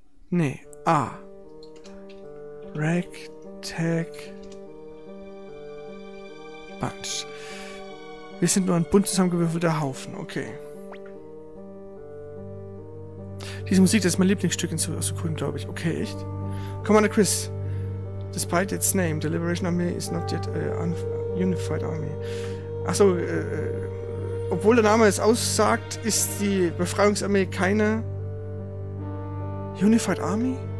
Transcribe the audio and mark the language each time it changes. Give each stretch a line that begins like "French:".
German: Nee, ah.
English: Ragtag. Bunch.
German: Wir sind nur ein bunt zusammengewürfelter Haufen, okay. Diese Musik, das ist mein Lieblingsstück in so cool, glaube ich. Okay, echt? Commander Chris.
English: Despite its name, the Liberation Army is not yet an unified army.
German: Achso, obwohl der Name es aussagt, ist die Befreiungsarmee keine
English: Unified Army?